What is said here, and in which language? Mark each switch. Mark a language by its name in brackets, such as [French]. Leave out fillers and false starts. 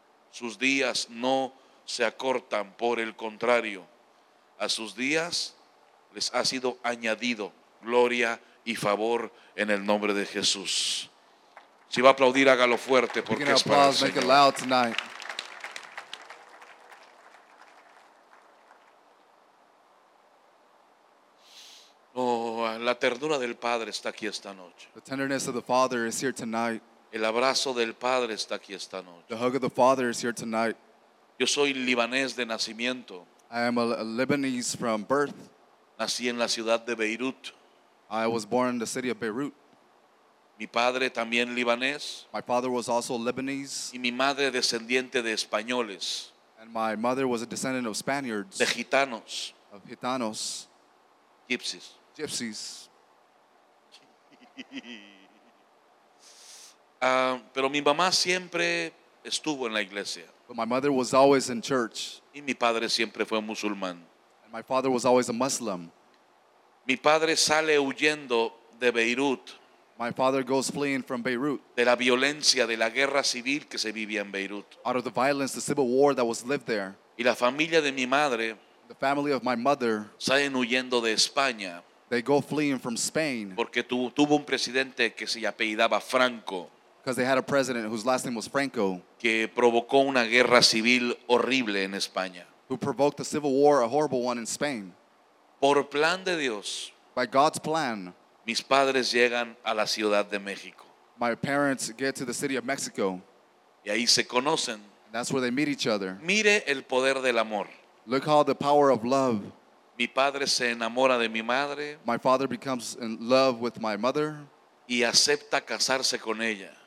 [Spanish] Sus días no se acortan, por el contrario, a sus días les ha sido añadido gloria y favor en el nombre de Jesús. Si va a aplaudir, hágalo fuerte, porque es para el Señor. La ternura del Padre está aquí esta noche. [English] The tenderness of the Father is here tonight. [Spanish] El abrazo del Padre está aquí esta noche. [English] The hug of the Father is here tonight. [Spanish] Yo soy libanés de nacimiento. [English] I am a Lebanese from birth. [Spanish] Nací en la ciudad de Beirut. [English] I was born in the city of Beirut. [Spanish] Mi padre también libanés. [English] My father was also Lebanese. [Spanish] Y mi madre descendiente de españoles. [English] And my mother was a descendant of Spaniards. [Spanish] De gitanos. [English] Of gitanos. Gypsies. Gypsies. [Spanish] Pero mi mamá siempre estuvo en la iglesia. [English] But my mother was always in church. [Spanish] Y mi padre siempre fue musulmán. [English] And my father was always a Muslim. [Spanish] Mi padre sale huyendo de Beirut. [English] My father goes fleeing from Beirut. [Spanish] De la violencia, de la guerra civil que se vivía en Beirut. [English] Out of the violence, the civil war that was lived there. [Spanish] Y la familia de mi madre, [English] the family of my mother, [Spanish] salen huyendo de España. [English] They go fleeing from Spain. [Spanish] Porque tuvo un presidente que se apellidaba Franco. [English] Because they had a president whose last name was Franco. [Spanish] Que provocó una guerra civil horrible en España. [English] Who provoked a civil war, a horrible one in Spain. [Spanish] Por plan de Dios. [English] By God's plan. [Spanish] Mis padres llegan a la Ciudad de México. [English] My parents get to the city of Mexico. [Spanish] Y ahí se conocen. [English] And that's where they meet each other. [Spanish] Mire el poder del amor. [English] Look how the power of love. [Spanish] Mi padre se enamora de mi madre. [English] My father becomes in love with my mother. [Spanish] Y acepta casarse con ella.